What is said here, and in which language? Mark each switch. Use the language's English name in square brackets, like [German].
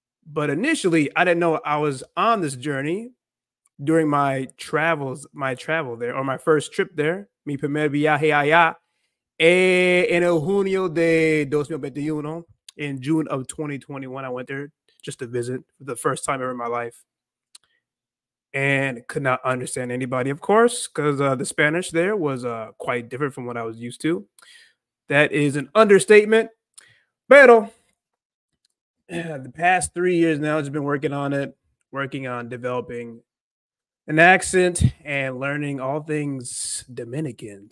[English] But initially, I didn't know I was on this journey during my first trip there. [Spanish] Mi primer viaje allá en el junio de 2021. [English] In June of 2021, I went there just to visit for the first time ever in my life. And could not understand anybody, of course, because the Spanish there was quite different from what I was used to. That is an understatement. Pero, the past 3 years now, I've been working on it, working on developing an accent and learning all things Dominican.